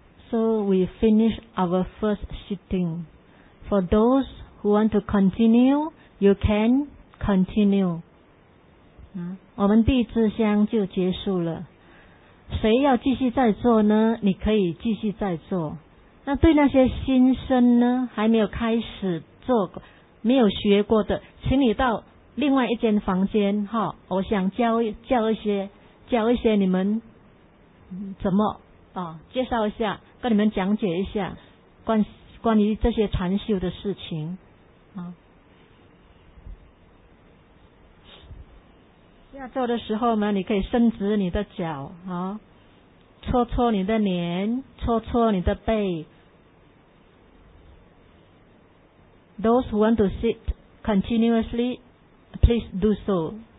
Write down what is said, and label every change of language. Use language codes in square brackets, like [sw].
[en] So we finish our first sitting. For those who want to continue, you can continue. [zh] 我们第一支香就结束了。谁要继续再做呢？你可以继续再做。那对那些新生呢，还没有开始做过、没有学过的，请你到另外一间房间，我想教一些你们怎么介绍一下，跟你们讲解一下关于这些禅修的事情。要做的时候呢，你可以伸直你的脚，搓搓你的脸，搓搓你的背。 [en] Those who want to sit continuously, please do so.